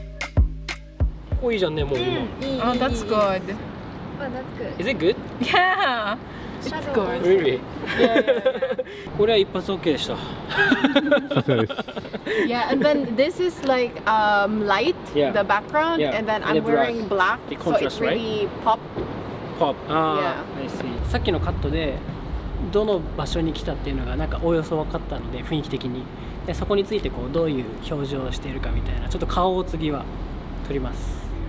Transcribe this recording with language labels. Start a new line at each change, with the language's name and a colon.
English: 3, 2, 1, start.
Japanese: いいじゃんね、もう今。
English: Oh, that's good. Oh, that's good. Is it good? Yeah. It's good. Really? Yeah, yeah, yeah.
Japanese: これは一発 OK でした。さすがです。
English: Yeah, and then this is like light, yeah. The background, yeah. And then I'm wearing black, the contrast, so it's really pop. Ah, yeah. I see.
Japanese: さっきのカットでどの場所に来たっていうのがなんかおおよそ分かったので雰囲気的に。でそこについてこうどういう表情をしているかみたいな。ちょっと顔を次は撮ります。